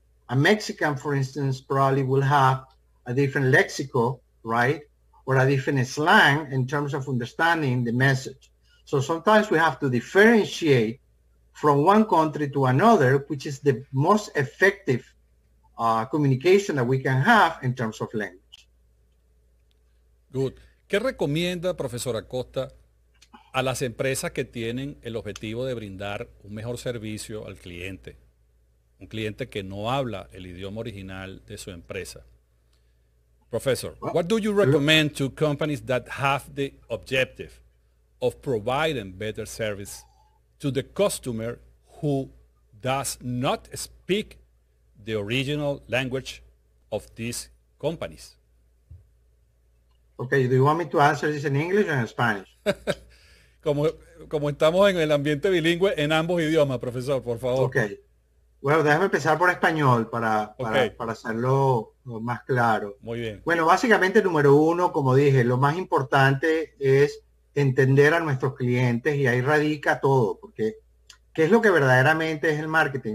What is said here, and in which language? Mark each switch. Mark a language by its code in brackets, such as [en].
[en] A Mexican, for instance, probably will have a different lexical, right? Or a different slang in terms of understanding the message. So sometimes we have to differentiate from one country to another, which is the most effective communication that we can have in terms of language. Good. [es] ¿Qué recomienda, profesor Acosta, a las empresas que tienen el objetivo de brindar un mejor servicio al cliente? Un cliente que no habla el idioma original de su empresa. [en] Professor, what do you recommend to companies that have the objective of providing better service to the customer who does not speak the original language of these companies? Okay, do you want me to answer this in English or in Spanish? [es] Como estamos en el ambiente bilingüe, en ambos idiomas, profesor, por favor. [en] Okay. [es] Bueno, déjame empezar por español para hacerlo más claro. Muy bien. Bueno, básicamente, número uno, como dije, lo más importante es entender a nuestros clientes y ahí radica todo, porque ¿qué es lo que verdaderamente es el marketing?